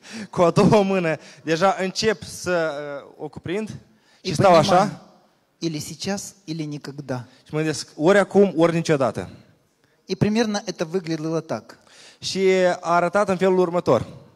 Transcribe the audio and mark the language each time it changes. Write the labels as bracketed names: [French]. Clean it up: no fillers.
[Romanian] Cu a doua mână deja încep să o cuprind și stau așa. [Russian] Или сейчас, или никогда. [Romanian] Și mă gândesc, ori acum, ori niciodată. [Russian] И примерно это выглядело так. [Romanian] Și a arătat în felul următor.